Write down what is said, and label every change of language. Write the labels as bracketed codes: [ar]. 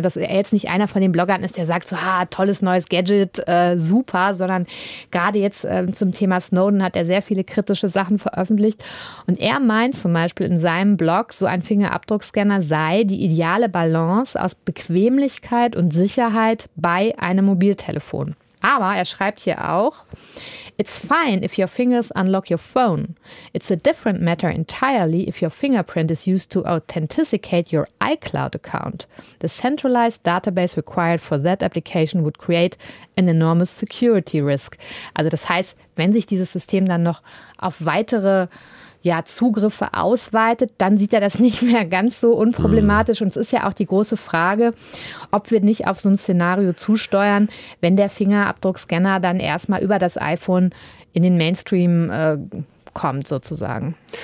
[de] Dass er jetzt nicht einer von den Bloggern ist, der sagt so, ha, tolles neues Gadget, super, sondern gerade jetzt zum Thema Snowden hat er sehr viele kritische Sachen veröffentlicht und er meint zum Beispiel in seinem Blog, so ein Fingerabdruckscanner sei die ideale Balance aus Bequemlichkeit und Sicherheit bei einem Mobiltelefon. Aber er schreibt hier auch, [en] it's fine if your fingers unlock your phone. It's a different matter entirely if your fingerprint is used to authenticate your iCloud account. The centralized database required for that application would create an enormous security risk. [de] Also das heißt, wenn sich dieses System dann noch auf weitere Zugriffe ausweitet, dann sieht er das nicht mehr ganz so unproblematisch. Und es ist ja auch die große Frage, ob wir nicht auf so ein Szenario zusteuern, wenn der Fingerabdruckscanner dann erstmal über das iPhone in den Mainstream kommt sozusagen.